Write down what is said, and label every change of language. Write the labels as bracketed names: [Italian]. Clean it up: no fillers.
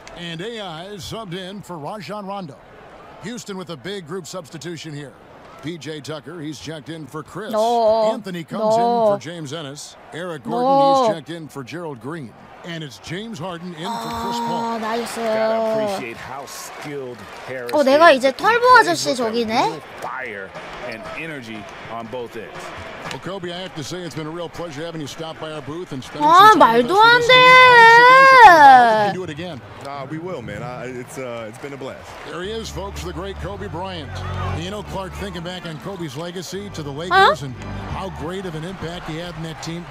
[English] And AI is subbed in for Rajon Rondo. Houston with a big group substitution here. PJ Tucker, he's checked in for Chris. No. Anthony comes no. in for James Ennis. Eric Gordon, no. he's checked in for Gerald Green. And it's James Harden in for Chris Paul. Oh, nice. Gotta appreciate how skilled Harris [Korean] oh, 내가 이제 털보 아저씨 저기네. [English] Fire and energy on both ends. Well, Kobe, I have to say it's been a real pleasure having you stop by our booth and spend 아, some time. [Korean] 말도 안 돼. [English] Do it again. We will, man. It's been a blast. There he is, folks, the great Kobe Bryant. You know, Clark, thinking back on Kobe's legacy to the Lakers 어? And how great of an impact he had in that team.